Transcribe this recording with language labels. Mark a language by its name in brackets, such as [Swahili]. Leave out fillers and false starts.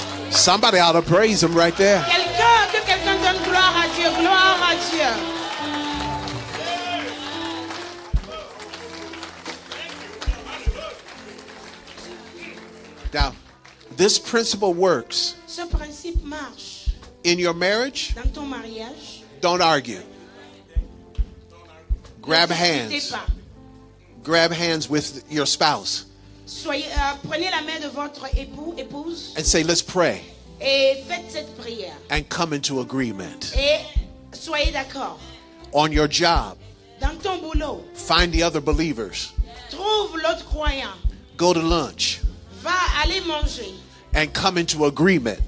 [English] Somebody ought to praise him right there. [French] Quelqu'un donne gloire à Dieu, gloire à Dieu. [English] Now, this principle works. [French] Ce principe marche. [English] In your marriage, [French] dans ton mariage, [English] don't argue. Grab hands. Grab hands with your spouse. [French] Soyez, prenez la main de votre époux, épouse. [English] And say, let's pray. [French] Et faites cette prière. [English] And come into agreement. [French] Et soyez d'accord. [English] On your job. [French] Dans ton boulot. [English] Find the other believers. [French] Trouve l'autre croyant. [English] Go to lunch. [French] Va aller manger. [English] And come into agreement.